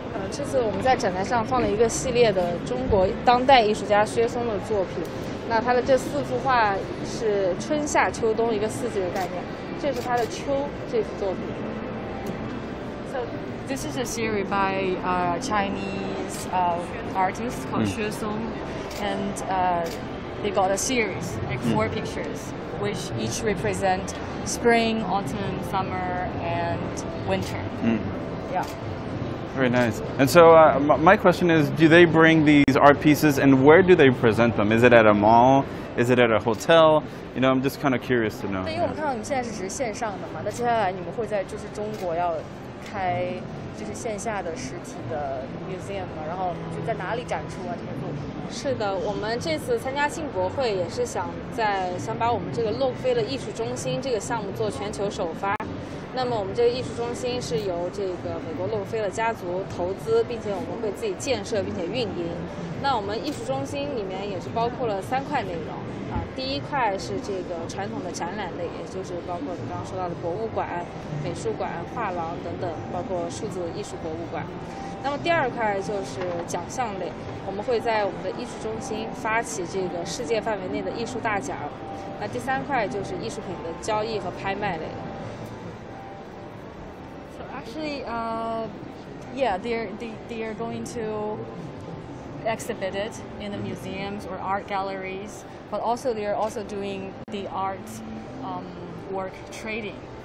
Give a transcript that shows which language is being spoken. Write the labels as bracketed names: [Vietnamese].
[Chinese] 这次我们在展台上放了一个系列的中国当代艺术家薛松的作品，那他的这四幅画是春夏秋冬一个四季的概念，这是他的秋这幅作品。 [English] So this is a series by a Chinese artist called 薛松 and they got a series like four pictures which each represent spring, autumn, summer and winter. Yeah. Very nice. And so my question is, do they bring these art pieces and where do they present them? Is it at a mall? Is it at a hotel? You know, I'm just kind of curious to know. [Chinese] 对，因为我们看到你们现在是只是线上的嘛，那接下来你们会在就是中国要开就是线下的实体的 museum 吗？然后就在哪里展出啊？这些作品？是的，我们这次参加进博会也是想把我们这个洛克菲勒艺术中心这个项目做全球首发。那么我们这个艺术中心是由这个美国洛克菲勒家族投资，并且我们会自己建设并且运营。那我们艺术中心里面也是包括了三块内容啊，第一块是这个传统的展览类，也就是包括你刚刚说到的博物馆、美术馆、画廊等等，包括数字艺术博物馆。那么第二块就是奖项类，我们会在我们的艺术中心发起这个世界范围内的艺术大奖。那第三块就是艺术品的交易和拍卖类。 [English] Actually, yeah, they are going to exhibit it in the museums or art galleries, but also they are also doing the art work trading.